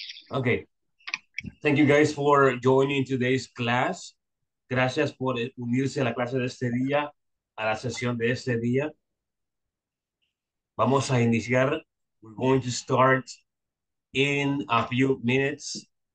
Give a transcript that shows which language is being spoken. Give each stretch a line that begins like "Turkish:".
English: Okay, thank you guys for joining today's class.
Spanish: Gracias por unirse a la clase de este día, a la sesión de este día. Vamos a iniciar.
English: We're going to start in a few minutes.